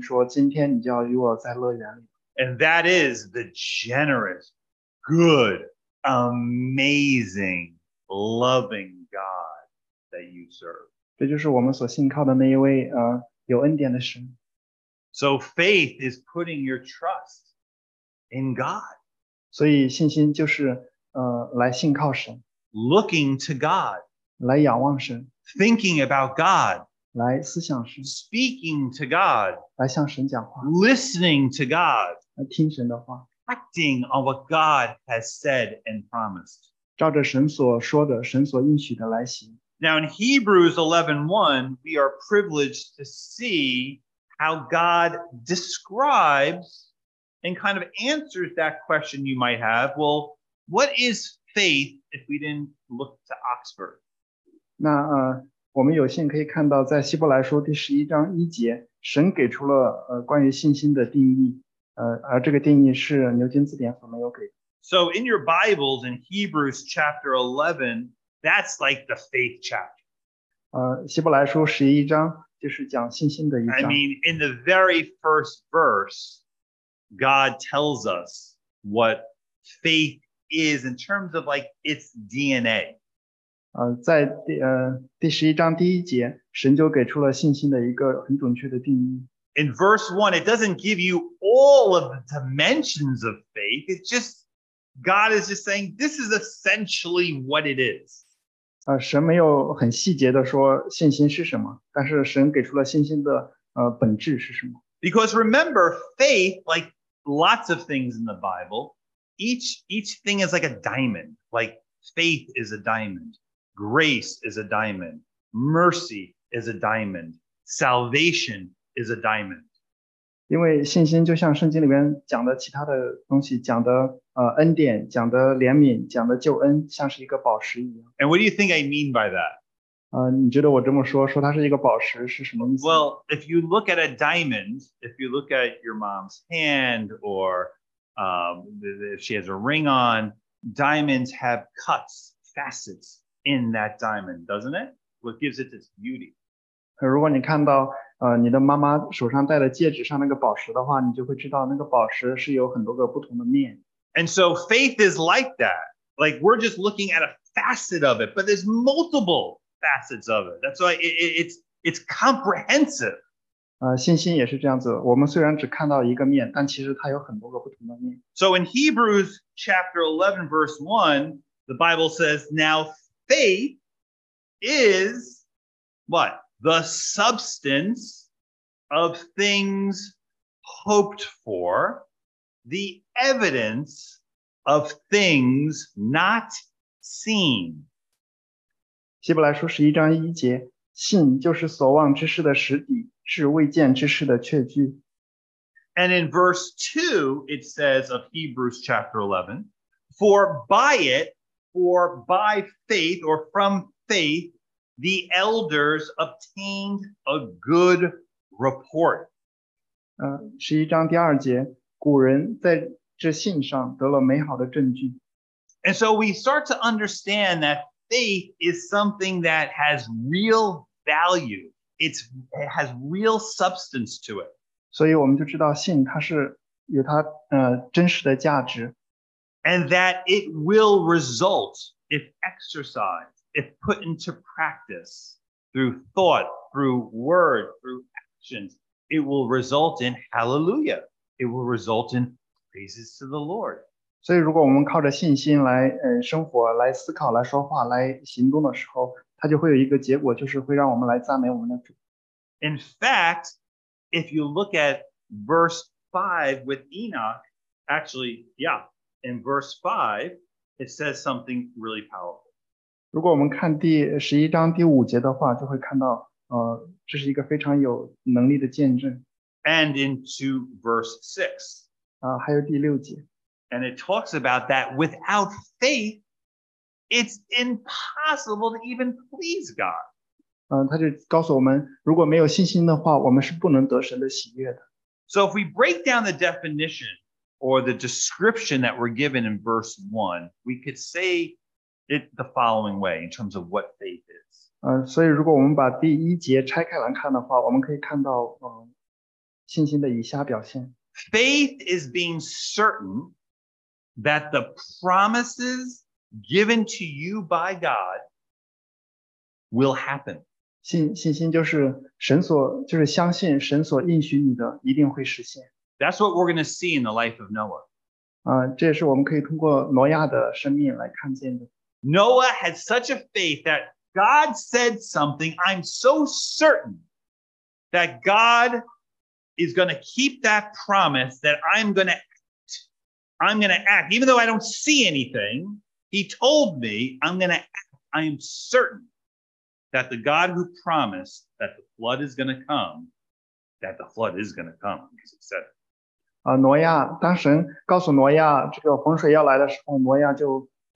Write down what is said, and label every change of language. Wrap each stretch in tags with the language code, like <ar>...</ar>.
<zh>而耶稣只是接受他从嘴里所表达出来的信心说今天你就要与我在乐园里。</zh> <en>And that is the generous, good, amazing, loving God that you serve.</en> <zh>这就是我们所信靠的那一位有恩典的神。</zh> <en>So faith is putting your trust in God.</en> <zh>所以信心就是来信靠神。</zh> <en>Looking to God.</en> <zh>来仰望神。</zh> <en>Thinking about God.</en> <zh>来思想神。</zh> <en>Speaking to God.</en> <zh>来向神讲话。</zh> <en>Listening to God.</en> <zh>来听神的话。</zh> <en>Acting on what God has said and promised.</en> <zh>照着神所说的，神所应许的来行。</zh> <en>Now in Hebrews 11:1, we are privileged to see how God describes and kind of answers that question you might have. Well, what is faith if we didn't look to Oxford.</en> <zh>那, 我们有幸可以看到在希伯来书第十一章一节神给出了、关于信心的定义、而这个定义是牛津字典所没有给的。</zh> <en>So in your Bibles in Hebrews chapter 11, that's like the faith chapter.</en> <zh>希伯来书十一章就是讲信心的一章。</zh> <en>I mean, in the very first verse, God tells us what faith is in terms of like its DNA. 在第十一章第一节，神就给出了信心的一个很准确的定义。 In verse 1, it doesn't give you all of the dimensions of faith. It's just, God is just saying, this is essentially what it is.</en> <zh>神没有很细节的说信心是什么，但是神给出了信心的本质是什么。</zh> <en>Because remember, faith, like lots of things in the Bible, each thing is like a diamond. Like faith is a diamond. Grace is a diamond. Mercy is a diamond. Salvation is a diamond.</en> <zh>因为信心就像圣经里面讲的其他的东西，讲的恩典，讲的怜悯，讲的救恩，像是一个宝石一样。</zh> <en>And what do you think I mean by that?</en> <zh>你觉得我这么说，说它是一个宝石是什么意思？</zh> <en>Well, if you look at a diamond, if you look at your mom's hand, or if she has a ring on, diamonds have cuts, facets. In that diamond, doesn't it? What gives it its beauty?</en> <zh>如果你看到你的妈妈手上戴的戒指上那个宝石的话，你就会知道那个宝石是有很多个不同的面。</zh> <en>And so faith is like that. Like we're just looking at a facet of it, but there's multiple facets of it. That's why it's comprehensive.</en> <zh>信心也是这样子。我们虽然只看到一个面，但其实它有很多个不同的面。</zh> <en>So in Hebrews chapter 11, verse 1, the Bible says, "Now." Faith is what? The substance of things hoped for, the evidence of things not seen.</en> <zh>希伯来书十一章一节，信就是所望之事的实底，是未见之事的确据。</zh> <en>And in verse 2, it says of Hebrews chapter 11, for by faith, or from faith, the elders obtained a good report.</en> <zh>十一章第二节，古人在这信上得了美好的证据。</zh> <en>And so we start to understand that faith is something that has real value. It has real substance to it.</en> <zh>所以我们就知道信它是有它真实的价值。</zh> <en>And that it will result if exercised, if put into practice through thought, through word, through actions, it will result in hallelujah. It will result in praises to the Lord.</en> <zh>所以如果我们靠着信心来生活，来思考，来说话，来行动的时候，它就会有一个结果，就是会让我们来赞美我们的主。</zh> <en>In fact, if you look at verse 5 with Enoch, actually, yeah. In verse 5, it says something really powerful.</en> <zh>如果我们看第十一章第五节的话，就会看到，这是一个非常有能力的见证。</zh> <en>And into verse 6.</en> <zh>还有第六节。</zh> <en>And it talks about that without faith, it's impossible to even please God.</en> <zh>他就告诉我们，如果没有信心的话，我们是不能得神的喜悦的。</zh> <en>So if we break down the definition,or the description that we're given in verse 1, we could say it the following way in terms of what faith is.</en> <zh>所以如果我们把第一节拆开来看的话，我们可以看到信心的以下表现。</zh> <en>Faith is being certain that the promises given to you by God will happen.</en> <zh>信心就是神所，就是相信神所应许你的一定会实现。</zh> <en>That's what we're going to see in the life of Noah.</en> <zh>这也是我们可以通过挪亚的生命来看见的。</zh> <en>Noah had such a faith that God said something, I'm so certain that God is going to keep that promise that I'm going to act. Even though I don't see anything, he told me, I'm going to act. I am certain that the God who promised that the flood is going to come, that the flood is going to come, because he said it.</en> <zh>挪亚当神告诉挪亚这个洪水要来的时候，挪亚就</zh>